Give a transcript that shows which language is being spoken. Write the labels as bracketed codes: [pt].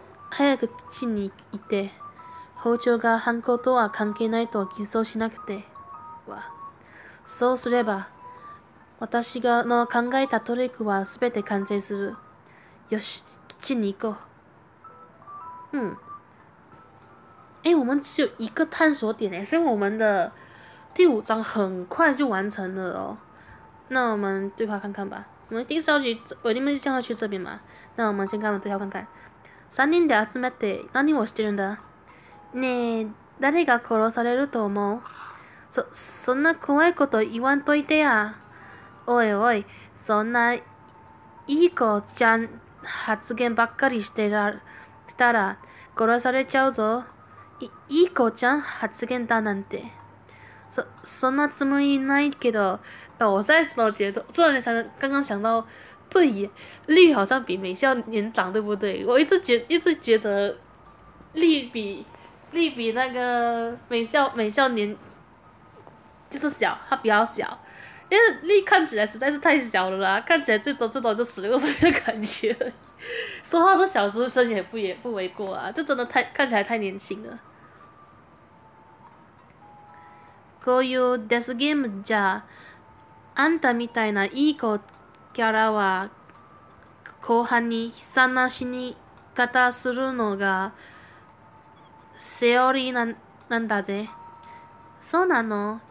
[ja] 早く基地に行って、包丁が犯行とは関係ないと偽装しなくては。そうすれば、私がの考えたトリックはすべて完成する。よし、基地に行こう。うん。 [zh] 我们只有一个探索点所以我们的第五章很快就完成了哦。那我们对话看看吧。我们第四章我一定是先要去这边嘛。那我们先跟我们对话看看。 [ja] 三人で集めて何をしてるんだ。ねえ、誰が殺されると思う？そんな怖いこと言わんといてや。おいおい、そんないい子ちゃん発言ばっかりしたら殺されちゃうぞ。いい子ちゃん発言だなんて。そんなつもりないけど。 [zh] 我在说觉得突然想刚刚想到对耶，丽好像比美孝年长，对不对？我一直觉得丽比那个美孝年就是小，她比较小，因为丽看起来实在是太小了啦，看起来最多就16岁的感觉，说话是小学生也不为过啊，就真的太看起来太年轻了。 [ja] こういうデスゲームじゃ、あんたみたいないい子キャラは後半に悲惨な死に方するのがセオリーなんだぜ。そうなの？